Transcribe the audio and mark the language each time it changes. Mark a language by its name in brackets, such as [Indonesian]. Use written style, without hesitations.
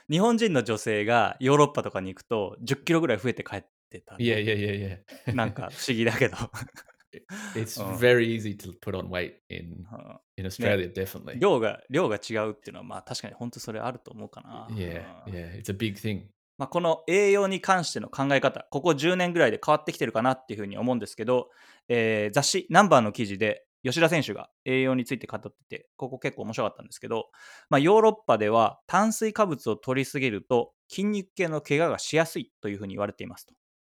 [Japanese] 日本人の女性がヨーロッパとかに行くと10キロぐらい増えて帰ってた。 [English] Yeah. [Japanese] なんか不思議だけど。 [English] It's very easy to put on weight in Australia, definitely. [Japanese] 量が違うっていうのは、まあ確かに本当それあると思うかな。 [English] Yeah. It's a big thing. [Japanese] まあ、この栄養に関しての考え方、ここ10年ぐらいで変わってきてるかなっていうふうに思うんですけど、雑誌ナンバーの記事で吉田選手が栄養について語ってて、ここ結構面白かったんですけど、まあ、ヨーロッパでは炭水化物を摂りすぎると筋肉系の怪我がしやすいというふうに言われていますと。